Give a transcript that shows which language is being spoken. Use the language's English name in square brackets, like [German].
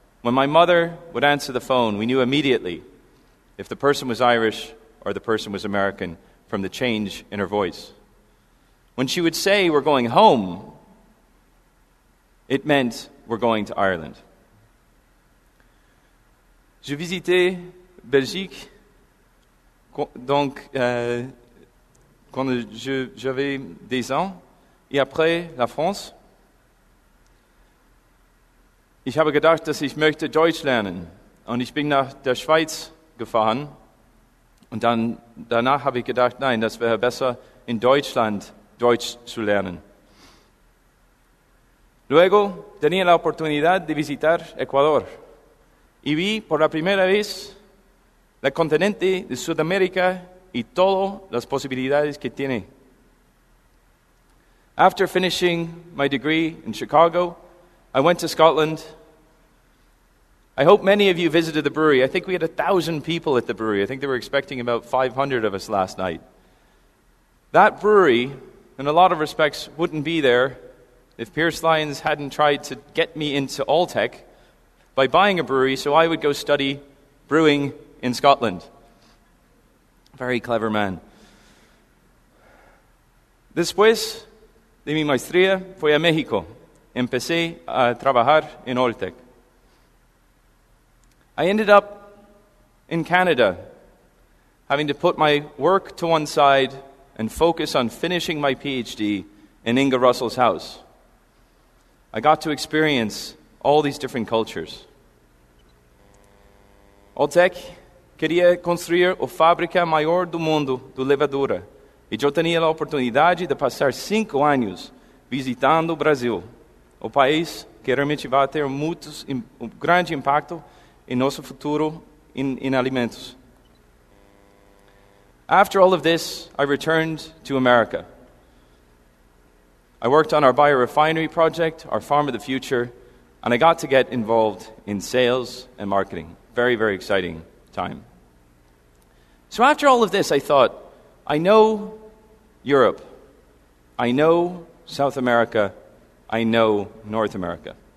[English] When my mother would answer the phone, we knew immediately if the person was Irish or the person was American from the change in her voice. When she would say, "We're going home," it meant we're going to Ireland. [French] Je visitais Belgique, donc quand j'avais 10 ans. Et après la France, [German] ich habe gedacht, dass ich möchte Deutsch lernen. Und ich bin nach der Schweiz gefahren. Und dann danach habe ich gedacht, nein, das wäre besser, in Deutschland Deutsch zu lernen. [Spanish] Luego, tenía la oportunidad de visitar Ecuador. Y vi por la primera vez el continente de Sudamérica y todas las posibilidades que tiene. [English] After finishing my degree in Chicago, I went to Scotland. I hope many of you visited the brewery. I think we had 1,000 people at the brewery. I think they were expecting about 500 of us last night. That brewery, in a lot of respects, wouldn't be there if Pierce Lyons hadn't tried to get me into Alltech by buying a brewery so I would go study brewing in Scotland. Very clever man. [Spanish] Después de mi maestría, fui a México. Empecé a trabajar en Alltech. [English] I ended up in Canada, having to put my work to one side and focus on finishing my PhD in Inga Russell's house. I got to experience all these different cultures. Alltech [Portuguese] Queria construir a fábrica maior do mundo de levedura. E eu tinha a oportunidade de passar 5 anos visitando o Brasil, o país que realmente vai ter um grande impacto em nosso futuro em alimentos. [English] After all of this, I returned to America. I worked on our biorefinery project, our farm of the future, and I got to get involved in sales and marketing. Very, very exciting time. So after all of this, I thought, I know Europe, I know South America, I know North America.